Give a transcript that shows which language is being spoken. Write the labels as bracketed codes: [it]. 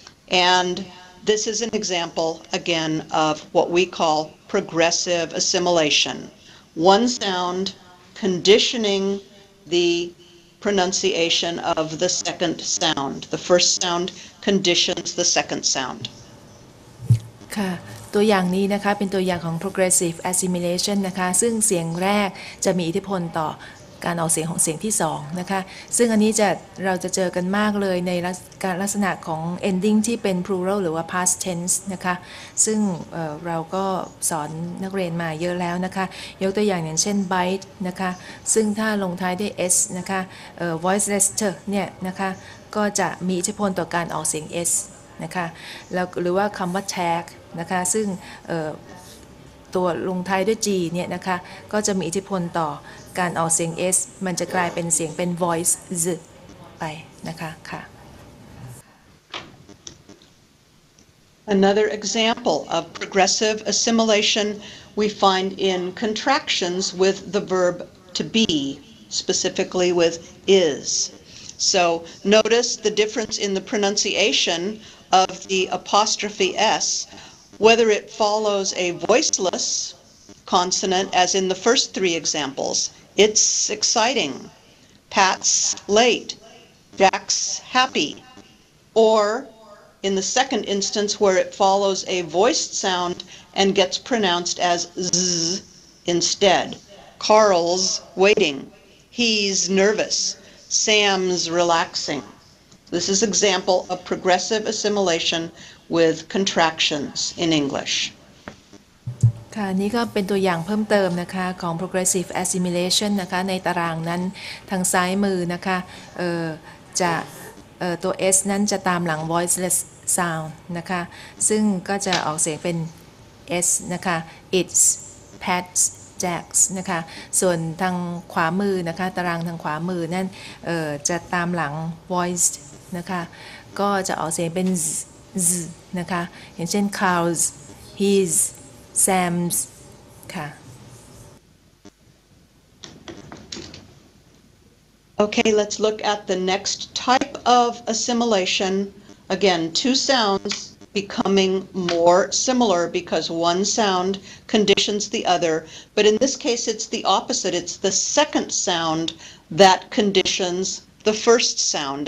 [en] And this is an example, again, of what we call progressive assimilation. One sound conditioning the pronunciation of the second sound. The first sound conditions the second sound. [th] ค่ะตัวอย่างนี้นะคะเป็นตัวอย่างของ progressive assimilation นะคะซึ่งเสียงแรกจะมีอิทธิพลต่อการออกเสียงของเสียงที่สองนะคะซึ่งอันนี้จะเราจะเจอกันมากเลยในการลักษณะของ ending ที่เป็น plural หรือว่า past tense นะคะซึ่ง เราก็สอนนักเรียนมาเยอะแล้วนะคะยกตัวอย่างอย่างเช่น bite นะคะซึ่งถ้าลงท้ายด้วย s นะคะ voiceless t เนี่ยนะคะก็จะมีอิทธิพลต่อการออกเสียง s นะคะแล้วหรือว่าคำว่า tag นะคะซึ่ง ตัวลงท้ายด้วย G เนี่ยนะคะก็จะมีอิทธิพลต่อการออกเสียง S มันจะกลายเป็นเสียงเป็น voice z ไปนะคะค่ะ [en] Another example of progressive assimilation we find in contractions with the verb to be, specifically with is. So notice the difference in the pronunciation of the apostrophe S, whether it follows a voiceless consonant as in the first three examples. It's exciting. Pat's late. Jack's happy. Or in the second instance where it follows a voiced sound and gets pronounced as z instead. Carl's waiting. He's nervous. Sam's relaxing. This is an example of progressive assimilation with contractions in English. [th] ค่ะนี่ก็เป็นตัวอย่างเพิ่มเติมนะคะของ progressive assimilation นะคะในตารางนั้นทางซ้ายมือนะคะ จะตัว S นั้นจะตามหลัง voiceless sound นะคะซึ่งก็จะออกเสียงเป็น S นะคะ [en] it's pets jacks [th] นะคะส่วนทางขวามือนะคะตารางทางขวามือนั้นจะตามหลัง voiced นะคะก็จะออกเสียงเป็น z นะคะอย่างเช่น [en] Carl's his Sam's [th] ค่ะ [en] Okay, let's look at the next type of assimilation. Again, two sounds becoming more similar because one sound conditions the other. But in this case, it's the opposite. It's the second sound that conditions the first sound.